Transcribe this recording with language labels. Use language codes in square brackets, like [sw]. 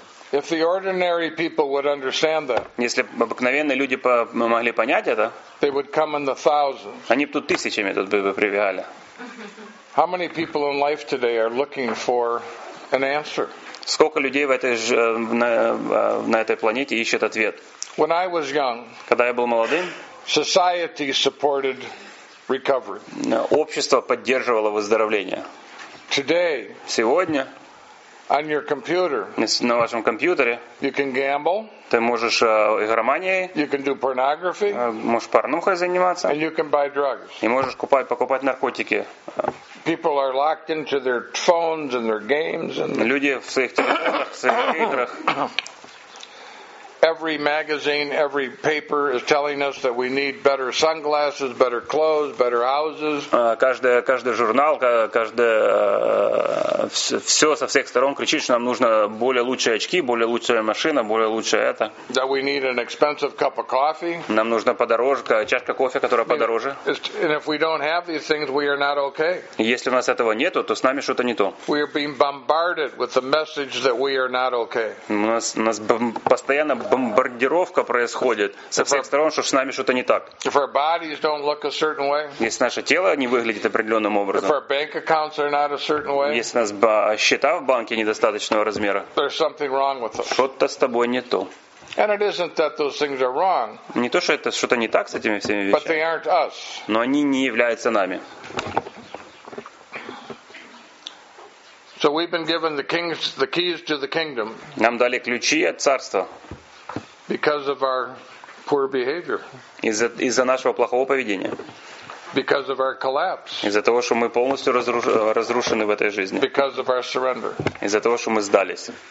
[en] If the ordinary people would understand that. [ru] Если бы обыкновенные люди могли понять это. [en] They would come in the thousands. [ru] Они бы тут тысячами тут бы прибегали. [en] How many people in life today are looking for an answer? [ru] Сколько людей на этой планете ищет ответ? [en] When I was young, [ru] когда я был молодым, [en] society supported recovery. [ru] Общество поддерживало выздоровление. [en] Today, [ru] сегодня, [en] on your computer, [ru] на вашем компьютере, [en] you can gamble. [ru] Ты можешь игроманией. [en] You can do pornography. [ru] Можешь порнухой заниматься. [en] And you can buy drugs. [ru] И можешь покупать наркотики. [en] People are locked into their phones and their games and. [ru] Люди в своих телефонах, в своих играх. [en] Every magazine, every paper is telling us that we need better sunglasses, better clothes, better houses. [ru] Каждый журнал, каждое все со всех сторон кричит, что нам нужно более лучшие очки, более лучшая машина, более лучшее это. [en] That we need an expensive cup of coffee. [ru] Нам нужна подорожка, чашка кофе, которая подороже. [en] And if we don't have these things, we are not okay. [ru] Если у нас этого нету, то с нами что-то не то. [en] We are being bombarded with the message that we are not okay. [ru] У нас постоянно бомбардировка происходит со всех сторон, что с нами что-то не так. [en] If our bodies don't look a certain way, [ru] если наше тело не выглядит определенным образом, [en] if our bank accounts are not a certain way, [ru] если у нас счета в банке недостаточного размера, [en] there's something wrong with us. [ru] Что-то с тобой не то. [en] And it isn't that those things are wrong, [ru] не то, что это что-то не так с этими всеми вещами, [en] but they aren't us. [ru] Но они не являются нами. [en] So we've been given the keys to the kingdom. [ru] Нам дали ключи от царства. [en] Because of our poor behavior. [ru] Из-за нашего плохого поведения. [en] Because of our collapse. [ru] Из-за того, что мы полностью разрушены в этой жизни. [en] Because of our surrender. [ru] Из-за того, что мы сдались.